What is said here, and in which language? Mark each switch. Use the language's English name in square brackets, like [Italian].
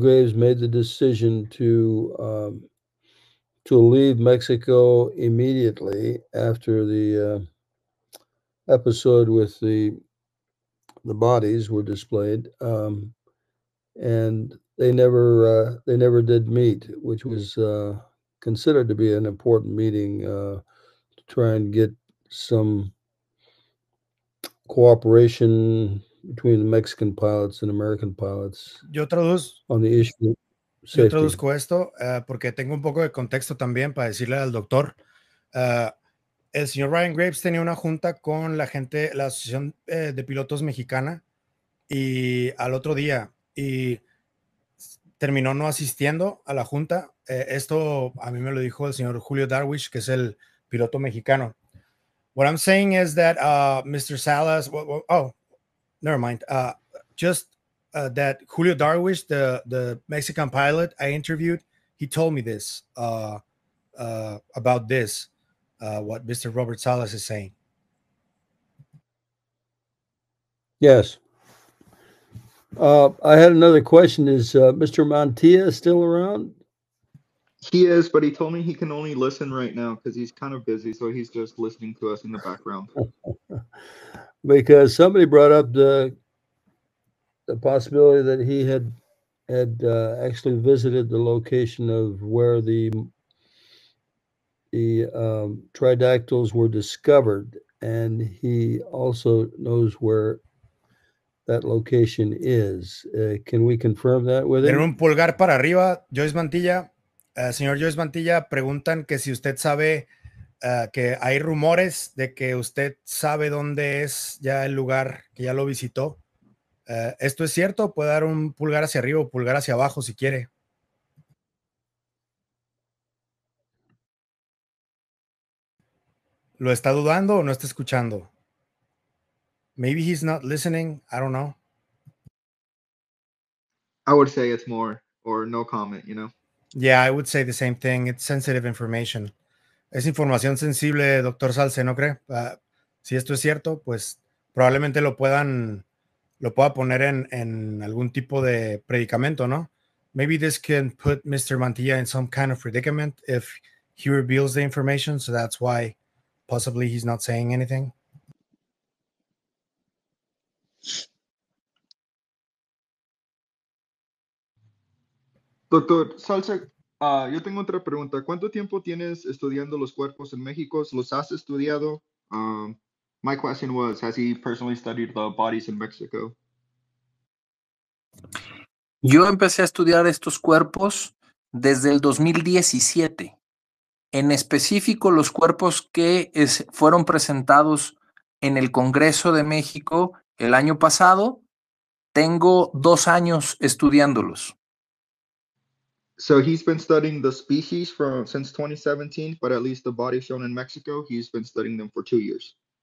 [English] Graves made the decision to leave Mexico immediately after the episode with the bodies were displayed, and they never did meet, which was considered to be an important meeting to try and get some cooperation between the Mexican pilots and American pilots. [Spanish] Yo traduzco esto porque tengo un poco de contexto también para decirle al doctor. El señor Ryan Graves tenía una junta con la gente, la Asociación de Pilotos Mexicana, y al otro día, y terminó no asistiendo a la junta. esto a mí me lo dijo el señor Julio Darwish, que es el piloto mexicano. [English] What I'm saying is that Mr. Salas, that Julio Darwish, the Mexican pilot I interviewed, he told me this, about this, what Mr. Robert Salas is saying. Yes. I had another question. Is Mr. Montilla still around? He is, but he told me he can only listen right now because he's kind of busy, so he's just listening to us in the background. Because somebody brought up the possibility that he had actually visited the location of where the tridactyls were discovered, and he also knows where that location is. Can we confirm that with [Spanish] him? En un pulgar para arriba, Joyce Mantilla. Señor Joyce Mantilla, preguntan que si usted sabe que hay rumores de que usted sabe dónde es ya el lugar que ya lo visitó. ¿Esto es cierto? ¿Puede dar un pulgar hacia arriba o pulgar hacia abajo si quiere? ¿Lo está dudando o no está escuchando? [English] Maybe he's not listening. I don't know. I would say it's more or no comment, you know? Yeah, I would say the same thing. It's sensitive information. [Spanish] Es información sensible, doctor Salce, ¿no cree? Si esto es cierto, pues probablemente lo pueda poner en algún tipo de predicamento, ¿no? [English] Maybe this can put Mr. Mantilla in some kind of predicament if he reveals the information, so that's why possibly he's not saying anything. [Spanish] Doctor Salce, yo tengo otra pregunta. ¿Cuánto tiempo tienes estudiando los cuerpos en México? ¿Los has estudiado? [English] My question was, has he personally studied the bodies in Mexico? [Spanish] Yo empecé a estudiar estos cuerpos desde el 2017. En específico, los cuerpos que fueron presentados en el Congreso de México el año pasado, tengo 2 años estudiándolos. [English] So he's been studying the species since 2017, but at least the body shown in Mexico, he's been studying them for 2 years.